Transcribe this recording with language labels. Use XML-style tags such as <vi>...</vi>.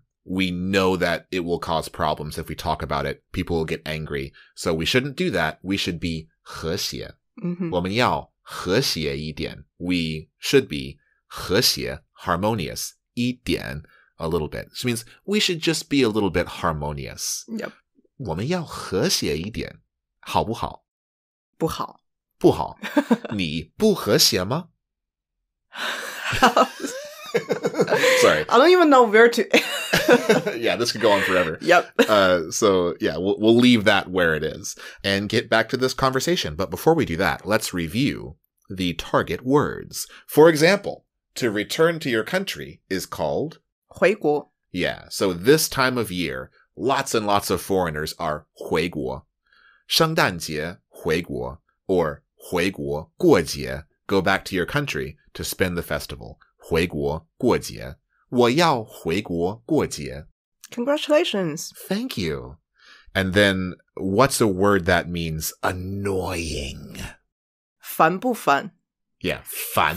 <en>we know that it will cause problems if we talk about it. People will get angry. So we shouldn't do that. We should be 和谐、 mm-hmm.</en> <zh>我们要和谐一点。</zh> <en>We should be 和谐 harmonious 一点 a little bit. Which means we should just be a little bit harmonious. Yep.</en> <zh>我们要和谐一点好不好不好。不好。你不和谐吗</zh> <en>Sorry. I don't even know where to... yeah, this could go on forever. Yep. So, we'll leave that where it is and get back to this conversation. But before we do that, let's review the target words. For example, to return to your country is called...</en> <zh>回国。</zh> <en>Yeah, so this time of year, lots and lots of foreigners are 回国。</en> <zh>圣诞节回国</zh> <en>or</en> <zh>回国过节。</zh> <en>Go back to your country to spend the festival.</en> <zh>回国过节。我要回国过节。</zh> <en>Congratulations. Thank you. And then, what's a word that means annoying?</en> <zh>烦不烦?</zh> <en>Yeah, 烦。</en>